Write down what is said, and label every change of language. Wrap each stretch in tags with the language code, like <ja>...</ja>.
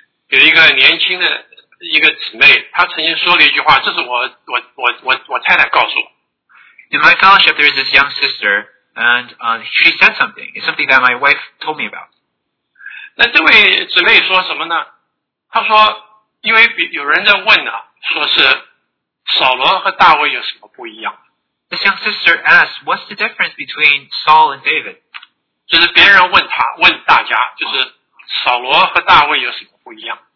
<zh>我们最近在一个读经聚会里面有一个年轻的 一个姊妹，她曾经说了一句话，这是我太太告诉我。</zh> <en>In my fellowship, there is this young sister, and she said something. It's something that my wife told me about.</en> <zh>那这位姊妹说什么呢？她说，因为有人在问呢，说是扫罗和大卫有什么不一样。</zh> <en>This young sister asked, "What's the difference between Saul and David?"</en> <zh>就是别人问他，问大家，就是扫罗和大卫有什么不一样。</zh>